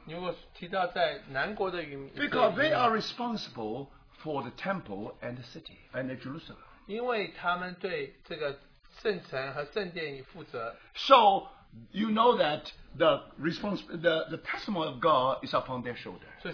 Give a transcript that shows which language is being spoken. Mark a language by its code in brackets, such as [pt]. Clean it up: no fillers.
[zh] 如果提到在南国的渔民, [en] because they are responsible for the temple and the city and the Jerusalem. [zh] 因为他们对这个圣城和圣殿负责, [en] so you know that the testimony of God is upon their shoulder.